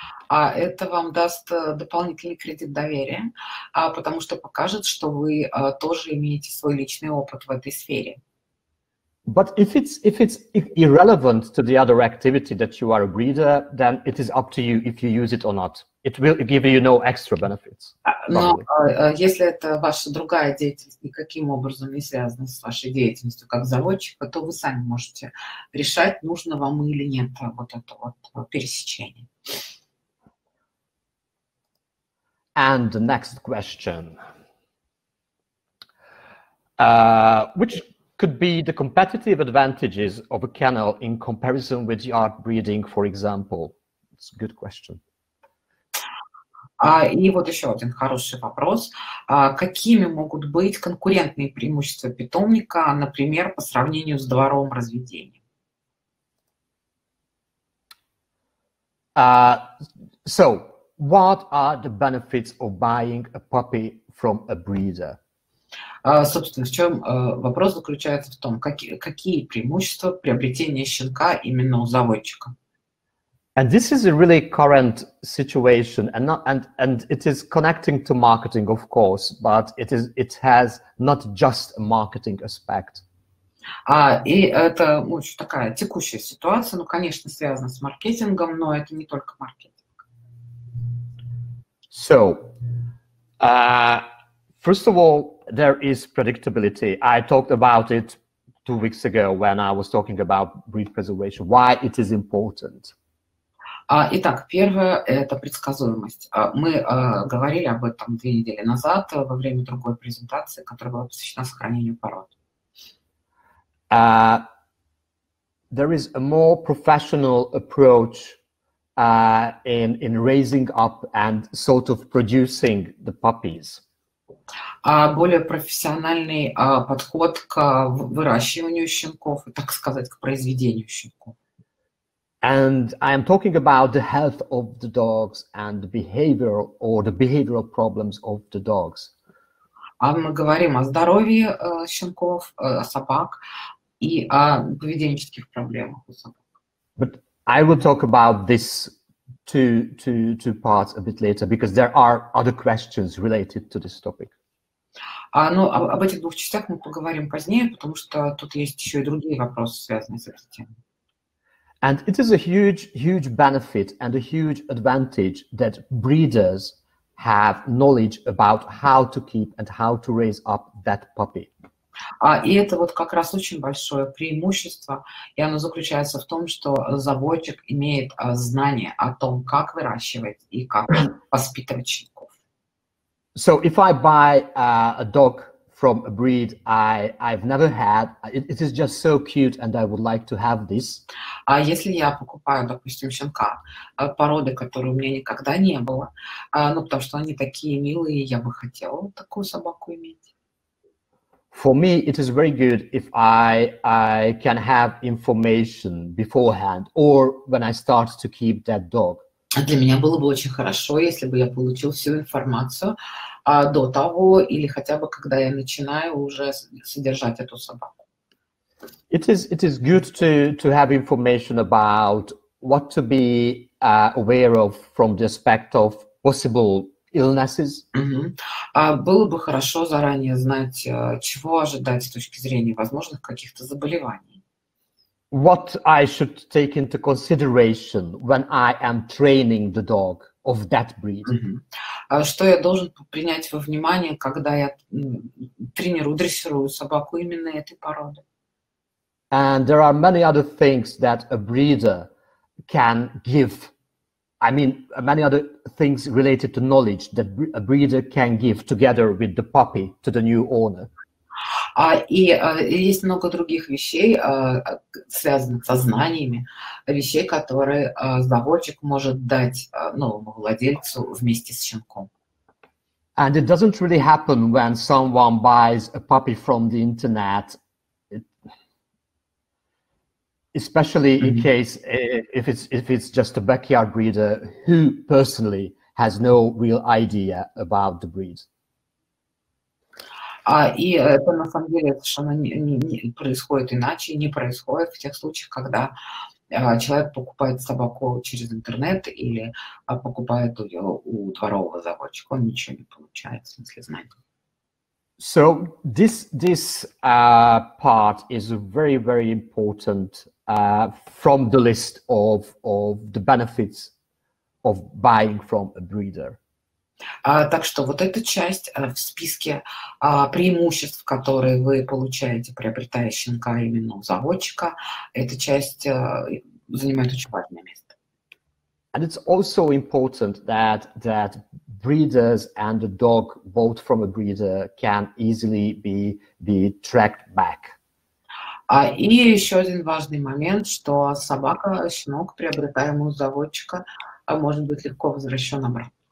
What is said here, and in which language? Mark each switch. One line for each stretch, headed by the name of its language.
Russian: А это вам даст дополнительный кредит доверия, потому что покажет, что вы тоже имеете свой личный опыт в этой сфере.
English: But if it's irrelevant to the other activity that you are a breeder, then it is up to you if you use it or not. It will give you no extra benefits.
Russian: Но если это ваша другая деятельность никаким образом не связана с вашей деятельностью как заводчика, то вы сами можете решать, нужно вам или нет вот это вот пересечение.
English: And the next question, which could be the competitive advantages of a kennel in comparison with yard breeding, for example? It's a good question.
Russian: И вот еще один хороший вопрос. Какими могут быть конкурентные преимущества питомника, например, по сравнению с дворовым разведением?
English: So, what are the benefits of buying a puppy from a breeder?
Russian: Собственно, в чем вопрос заключается в том, какие преимущества приобретения щенка именно у заводчика?
English: And this is a really current situation, and it is connecting to marketing, of course, but it has not just a marketing aspect.
Russian: И это очень такая текущая ситуация, ну, конечно, связана с маркетингом, но это не только маркетинг.
English: So, first of all, there is predictability. I talked about it 2 weeks ago when I was talking about breed preservation, why it is important.
Russian: Итак, первое – это предсказуемость. Мы говорили об этом 2 недели назад во время другой презентации, которая была посвящена сохранению пород.
English: There is a more professional approach in raising up and sort of producing the puppies.
Russian: Более профессиональный подход к выращиванию щенков, так сказать, к произведению щенков.
English: And I am talking about the health of the dogs and the behavioral problems of the dogs.
Russian: А мы говорим о здоровье щенков, о собак и о поведенческих проблемах у собак.
English: But I will talk about this two parts a bit later, because there are other questions related to this topic.
Russian: Ну, об этих двух частях мы поговорим позднее, потому что тут есть еще и другие вопросы, связанные с этой темой.
English: And it is a huge, huge benefit and a huge advantage that breeders have knowledge about how to keep and how to raise up that puppy.
Russian: И это вот как раз очень большое преимущество, и оно заключается в том, что заводчик имеет знание о том, как выращивать и как воспитывать щенков.
English: So if I buy a dog from a breed I've never had, it is just so cute and I would like to have this.
Russian: А если я покупаю, допустим, щенка породы, которой у меня никогда не было, ну потому что они такие милые, я бы хотела такую собаку иметь.
English: For me it is very good if I can have information beforehand or when I start to keep that dog.
Russian: Для меня было бы очень хорошо, если бы я получил всю информацию до того, или хотя бы когда я начинаю уже содержать эту собаку.
English: It is good to have information about what to be aware of from the aspect of possible illnesses.
Russian: Было бы хорошо заранее знать, чего ожидать с точки зрения возможных каких-то заболеваний.
English: What I should take into consideration when I am training the dog of that breed.
Russian: Что я должен принять во внимание, когда я тренирую, дрессирую собаку именно этой породы?
English: And there are many other things that a breeder can give. I mean, many other things related to knowledge that a breeder can give together with the puppy to the new owner.
Russian: И есть много других вещей, связанных со знаниями, вещей, которые заводчик может дать новому владельцу вместе с щенком.
English: And it doesn't really happen when someone buys a puppy from the internet, especially in case if it's just a backyard breeder who personally has no real idea about the breed.
Russian: И это, на самом деле, совершенно не происходит иначе, не происходит в тех случаях, когда человек покупает собаку через интернет или покупает ее у дворового заводчика, он ничего не получает, в смысле, знает.
English: So this part is very, very important from the list of the benefits of buying from a breeder.
Russian: Так что вот эта часть в списке преимуществ, которые вы получаете, приобретая щенка именно у заводчика, эта часть занимает очень важное место.
English: And it's also important that breeders and the dog both from a breeder can easily be tracked back.
Russian: И еще один важный момент, что собака, щенок, приобретаемый у заводчика, может быть легко возвращен обратно.